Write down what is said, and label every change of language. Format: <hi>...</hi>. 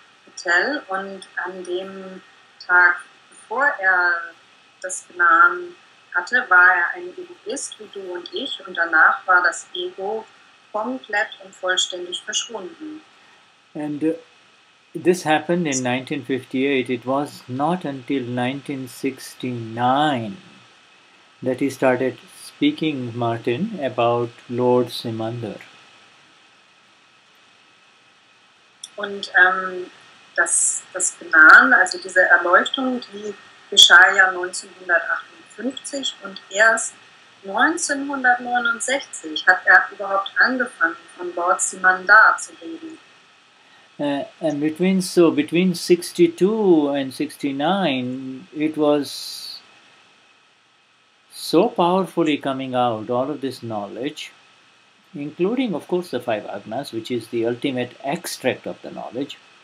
<de>Patel und an dem Tag, bevor er das Gnan hatte, war er ein Egoist wie du und ich und danach war das Ego komplett und vollständig verschwunden.</de> <en>And this happened in 1958. It was not until 1969 that he started speaking, Martin, about Lord Simandar.</en> <de>Und das Gnan, also diese Erleuchtung, die geschah ja 1958 und erst 1969 hat er überhaupt angefangen, von Lord Simandar zu reden.</de> <en>Between 62 and 69, it was so powerfully coming out, all of this knowledge, including, of course, the five Agnas, which is the ultimate extract of the knowledge.</en>